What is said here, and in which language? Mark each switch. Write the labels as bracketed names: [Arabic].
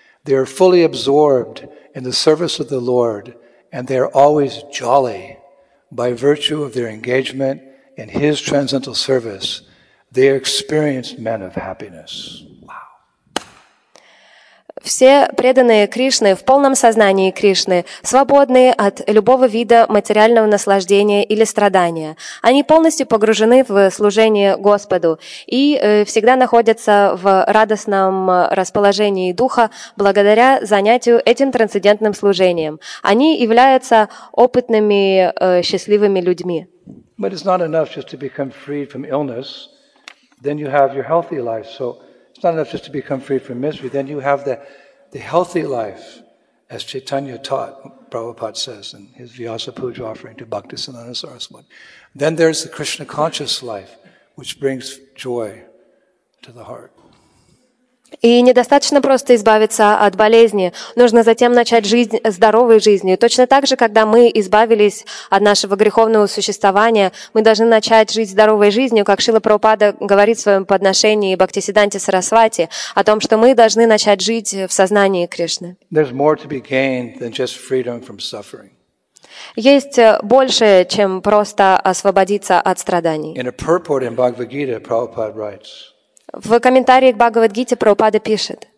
[English] They are fully absorbed in the service of the Lord, and they are always jolly. By virtue of their engagement in His transcendental service, they are experienced men of happiness. [Russian] Все преданные Кришны в полном сознании Кришны свободны от любого вида материального наслаждения или страдания. Они полностью погружены в служение Господу и всегда находятся в радостном расположении духа благодаря занятию этим трансцендентным служением. Они являются опытными, счастливыми людьми. Но это не достаточно просто быть свободным от болезни. Тогда у вас есть здоровая жизнь. [English] It's not enough just to become free from misery. Then you have the healthy life, as Chaitanya taught, Prabhupada says, in his Vyasa Puja offering to Bhaktisananda Saraswati. Then there's the Krishna conscious life, which brings joy to the heart. [Russian] И недостаточно просто избавиться от болезни. Нужно затем начать жизнь здоровой жизнью. Точно так же, когда мы избавились от нашего греховного существования, мы должны начать жить здоровой жизнью, как Шрила Прабхупада говорит в своем подношении Бхактисиддханте Сарасвати, о том, что мы должны начать жить в сознании Кришны. [English] There's more to be gained than just freedom from suffering. [Russian] Есть больше, чем просто освободиться от страданий. [English] In a purport in Bhagavad Gita, Prabhupada writes, [Russian] в комментарии к Бхагавад-гите Прабхупада пишет: